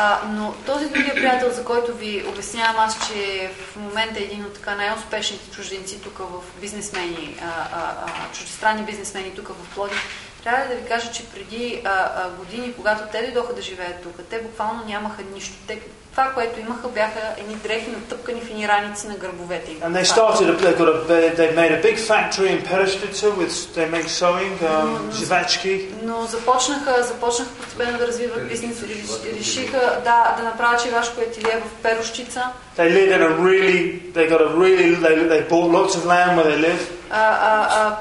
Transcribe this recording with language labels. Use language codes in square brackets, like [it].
[bg] Но този другия приятел, за който ви обяснявам аз, че в момента е един от така най-успешните чужденци тук в бизнесмени, чуждестранни бизнесмени тук в Пловдив, трябва да ви кажа, че преди години, когато те дойдоха да живеят тук, те буквално нямаха нищо. Това, което имаха, бяха едни дрехи натъпкани в едни раници на гърбовете им. [en] And they started they made a big factory in Perestrica with they make sewing, живачки. [bg] Но започнаха постепенно да развиват бизнес, решиха да направят живашко етилие в Перущица. [en] They live in a really they got a really they bought lots of land where they live.